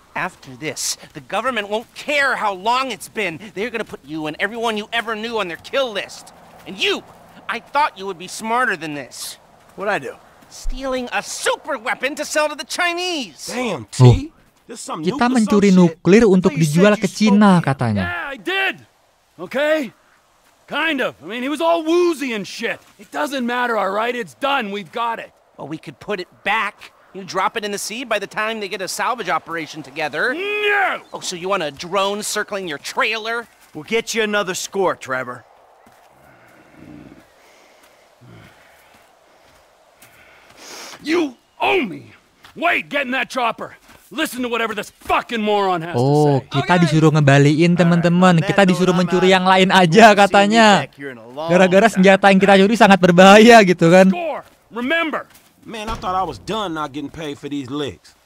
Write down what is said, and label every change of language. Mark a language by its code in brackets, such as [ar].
[en] After this, the government won't care how long it's been. They're gonna put you and everyone you ever knew on their kill list. And you, I thought you would be smarter than this. What'd I do? Stealing a super weapon to sell to the Chinese. Damn, T. [id] Kita mencuri nuklir untuk dijual ke Cina, katanya. [en] Yeah, I did. Okay? Kind of. I mean, he was all woozy and shit. It doesn't matter, all right? It's done. We've got it. Well, we could put it back. You drop it in the sea by the time they get a salvage operation together. No! Oh, so you want a drone circling your trailer? We'll get you another score, Trevor. You owe me! Wait, get in that chopper! Listen to whatever this fucking moron has to say. [id] Oh, kita disuruh ngebaliin teman-teman. Kita disuruh mencuri yang lain aja katanya. Gara-gara senjata yang kita curi sangat berbahaya gitu kan. [en] Remember. Man, I thought I was done not getting paid for these licks.